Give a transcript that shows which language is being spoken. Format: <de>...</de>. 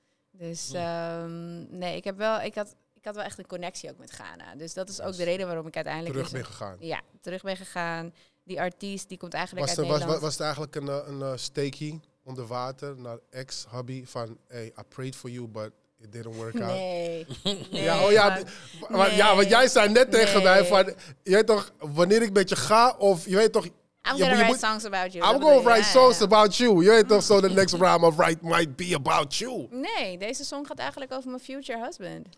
<nl>Dus nee, ik had wel echt een connectie ook met Ghana. Dus dat is ook de reden waarom ik uiteindelijk... Terug ben gegaan. Ja, terug ben gegaan. Die artiest, die komt eigenlijk uit Nederland. Was het eigenlijk een steekie onder water naar ex-hubby van...</nl> <en>Hey, I prayed for you, but it didn't work out.</en> <nl>Nee. Ja, oh ja, maar, nee. Ja, want jij zei net tegen mij van... Je weet toch, wanneer ik met je ga of je weet toch...</nl> <en>I'm gonna write songs about you.</en> <nl>Je weet toch,</nl> <en>so the next rhyme of write might be about you.</en> <nl>Nee, deze song gaat eigenlijk over mijn future husband.</nl>